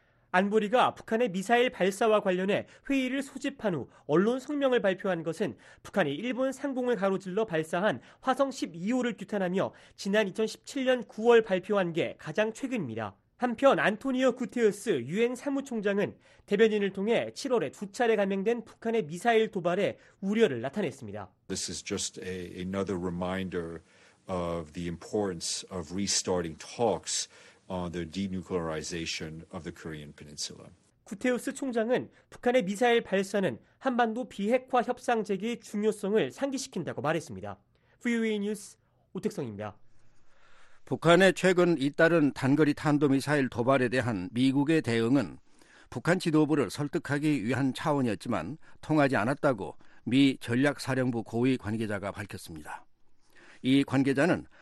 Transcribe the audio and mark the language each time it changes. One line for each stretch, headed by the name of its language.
Korean: 안보리가 북한의 미사일 발사와 관련해 회의를 소집한 후 언론 성명을 발표한 것은 북한이 일본 상공을 가로질러 발사한 화성 12호를 규탄하며 지난 2017년 9월 발표한 게 가장 최근입니다. 한편 안토니오 구테흐스 유엔 사무총장은 대변인을 통해 7월에 두 차례 감행된 북한의 미사일 도발에 우려를 나타냈습니다.
English: This is just another reminder of the importance of restarting talks. On the denuclearization of the Korean Peninsula.
Korean: 구테우스 총장은 북한의 미사일 발사는 한반도 비핵화 협상 재개의 중요성을 상기시킨다고 말했습니다. VOA 뉴스 오택성입니다. 북한의 최근 잇따른 단거리 탄도미사일 도발에 대한 미국의 대응은 북한 지도부를 설득하기 위한 차원이었지만 통하지 않았다고 미 전략사령부 고위 관계자가 밝혔습니다. 이 관계자는